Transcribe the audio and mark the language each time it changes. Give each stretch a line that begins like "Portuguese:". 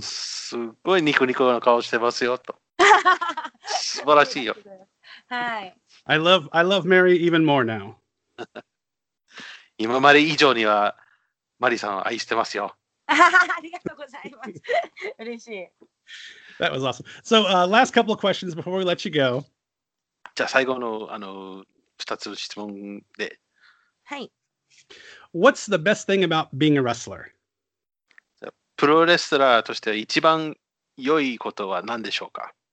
Japanese: すごいニコニコの顔してますよと。素晴らしいよ。はい。
English: I love Mary even more now.
Japanese: 今まで以上にはマリさんを愛してますよ。ありがとうございます。嬉しい。
English: That was awesome. So, last couple of questions before we let you go.
Japanese: じゃあ最後の2つの質問で。はい。
English: What's the best thing about being a wrestler?
Japanese: プロレスラーとしては一番良いことは何でしょうか？